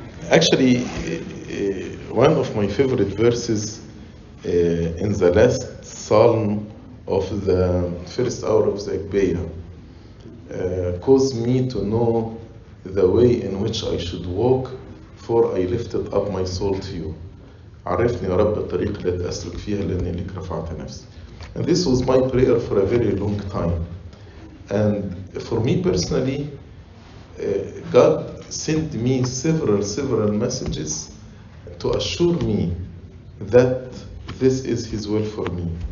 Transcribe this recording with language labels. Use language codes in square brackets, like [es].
[en] Actually, one of my favorite verses in the last psalm of the first hour of the Agbaya, caused me to know the way in which I should walk, for I lifted up my soul to you. [ar] عرفني رب الطريق التي أسلك فيها لأني لك رفعت نفسي. [en] And this was my prayer for a very long time. And for me personally, God sent me several messages to assure me that this is His will for me.